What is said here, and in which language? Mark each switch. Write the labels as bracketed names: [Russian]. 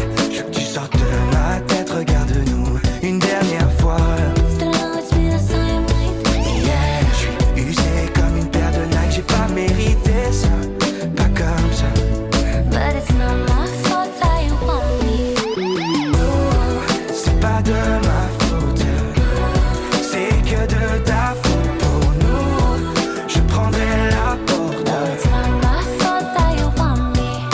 [French] Je veux que tu sortes de ma tête, regarde. Une dernière fois. [English] Still know it's me that's on your mind. [French] Yeah, je suis usé comme une paire de Nike. J'ai pas mérité ça, pas comme ça. [English] But it's not my fault that you want me. [French] Nous, c'est pas de ma faute. C'est que de ta faute pour nous. Je prendrai la porte. [English] But it's not my fault that you want me.